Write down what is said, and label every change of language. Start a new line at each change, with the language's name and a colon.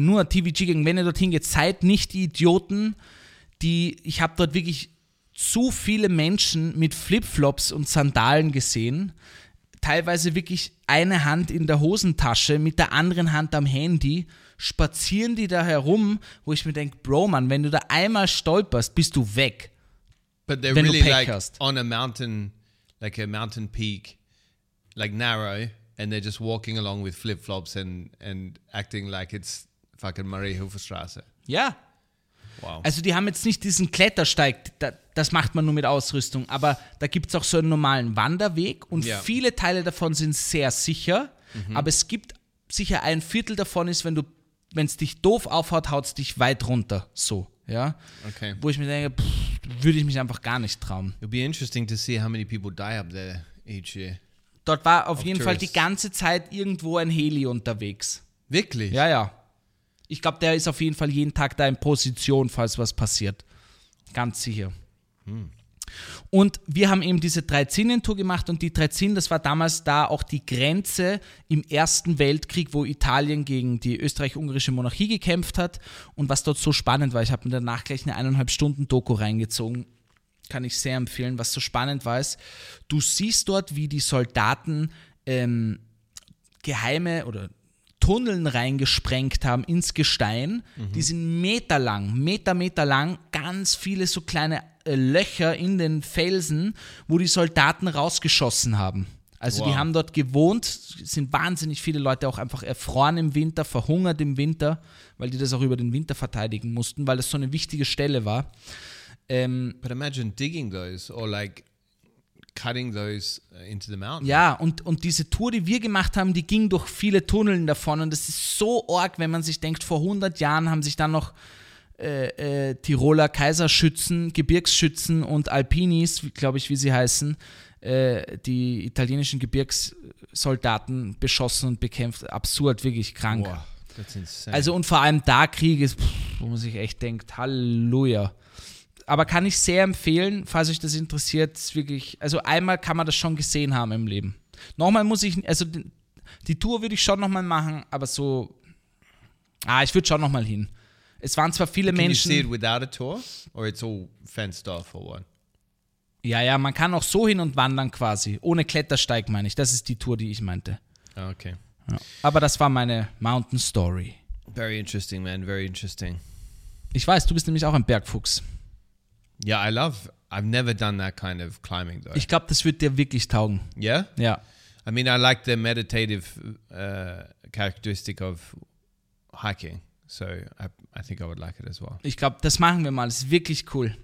German: Nur TVG gegen, wenn ihr dorthin geht, seid nicht die Idioten, die, ich habe dort wirklich zu viele Menschen mit Flipflops und Sandalen gesehen, teilweise wirklich eine Hand in der Hosentasche mit der anderen Hand am Handy, spazieren die da herum, wo ich mir denke, Bro, Mann, wenn du da einmal stolperst, bist du weg.
English: But they're really like on a mountain, like a mountain peak, like narrow, and they're just walking along with flipflops and acting like it's fucking Mariehofer-Straße.
German: Ja.
English: Wow.
German: Also die haben jetzt nicht diesen Klettersteig, das macht man nur mit Ausrüstung, aber da gibt es auch so einen normalen Wanderweg und yeah, viele Teile davon sind sehr sicher, mm-hmm, aber es gibt sicher ein Viertel davon ist, wenn es dich doof aufhaut, haut es dich weit runter, so. ja.
English: Okay.
German: Wo ich mir denke, würde ich mich einfach gar nicht trauen.
English: It'll be interesting to see how many people die up there each year.
German: Dort war auf jeden Fall die ganze Zeit irgendwo ein Heli unterwegs. Wirklich? Ja, ja. Ich glaube, der ist auf jeden Fall jeden Tag da in Position, falls was passiert. Ganz sicher. Hm. Und wir haben eben diese Drei-Zinnen-Tour gemacht und die Drei-Zinnen, das war damals da auch die Grenze im Ersten Weltkrieg, wo Italien gegen die österreich-ungarische Monarchie gekämpft hat. Und was dort so spannend war, ich habe mir danach gleich eine 1,5-Stunden-Doku reingezogen, kann ich sehr empfehlen, was so spannend war, ist, du siehst dort, wie die Soldaten geheime oder Tunneln reingesprengt haben ins Gestein. Mhm. Die sind meterlang, meterlang, ganz viele so kleine Löcher in den Felsen, wo die Soldaten rausgeschossen haben. Also wow. Die haben dort gewohnt, sind wahnsinnig viele Leute auch einfach erfroren im Winter, verhungert im Winter, weil die das auch über den Winter verteidigen mussten, weil das so eine wichtige Stelle war.
English: But imagine digging those or like cutting those into the mountain.
German: Ja, und diese Tour, die wir gemacht haben, die ging durch viele Tunneln davon und das ist so arg, wenn man sich denkt, vor 100 Jahren haben sich dann noch Tiroler Kaiserschützen, Gebirgsschützen und Alpinis, glaube ich, wie sie heißen, die italienischen Gebirgssoldaten beschossen und bekämpft. Absurd, wirklich krank.
English: Wow, that's insane.
German: Also und vor allem da Krieg ist, wo man sich echt denkt, Halleluja. Aber kann ich sehr empfehlen, falls euch das interessiert, wirklich, also einmal kann man das schon gesehen haben im Leben. Nochmal muss ich, also die Tour würde ich schon nochmal machen, aber so, ich würde schon nochmal hin. Es waren zwar viele Menschen.
English: Can you see it without a tour? Or it's all fenced off or what?
German: Ja, ja, man kann auch so hin und wandern quasi. Ohne Klettersteig meine ich. Das ist die Tour, die ich meinte.
English: Okay.
German: Ja. Aber das war meine Mountain Story.
English: Very interesting, man. Very interesting.
German: Ich weiß, du bist nämlich auch ein Bergfuchs.
English: Ja, yeah, I've never done that kind of climbing though.
German: Ich glaube, das wird dir wirklich taugen.
English: Yeah?
German: Ja.
English: I mean, I like the meditative characteristic of hiking. So I think I would like it as well.
German: Ich glaube, das machen wir mal. Das ist wirklich cool.